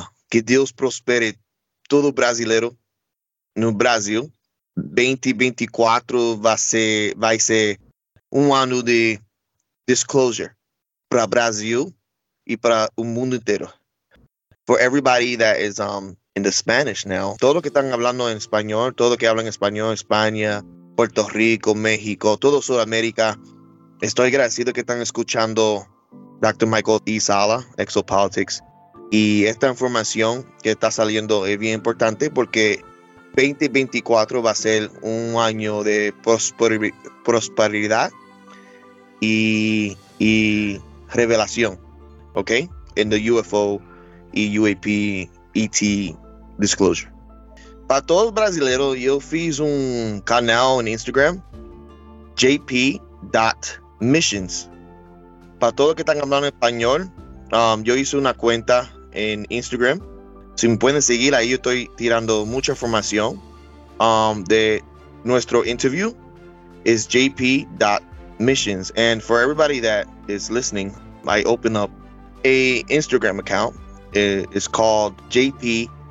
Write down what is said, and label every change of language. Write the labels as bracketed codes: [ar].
[pt] Que Deus prospere todo brasileiro no Brasil. 2024 vai ser ano de disclosure para Brasil e para o mundo inteiro. [en] For everybody that is in the Spanish now, [es] todo lo que están hablando en español, todo lo que hablan en español, España, Puerto Rico, México, todo Sudamérica, estoy agradecido que están escuchando Dr. Michael E. Sala, Exopolitics. Y esta información que está saliendo es bien importante, porque 2024 va a ser un año de prosperidad y revelación, okay? [en] In the UFO, UAP, ET disclosure. [es] Para todo el brasileiro, [pt] eu fiz um canal no Instagram, jp.missions. [es] Para todo que están hablando español, yo hice una cuenta en Instagram. Si me pueden seguir, ahí yo estoy tirando mucha información de nuestro interview. [en] Is jp.missions. And for everybody that is listening, I open up a Instagram account. It's called jp.missions.